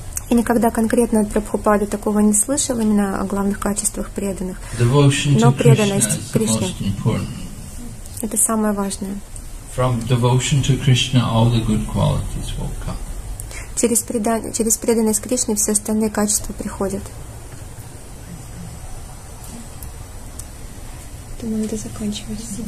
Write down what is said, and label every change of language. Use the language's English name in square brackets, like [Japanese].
[Russian] И никогда конкретно от Прабхупады такого не слышал, именно о главных качествах преданных. [English] Devotion to Krishna is the most important. [Russian] Это самое важное. [English] From devotion to Krishna, all the good qualities will come. [Russian] Через преданность Кришне все остальные качества приходят. Думаю, это заканчивается.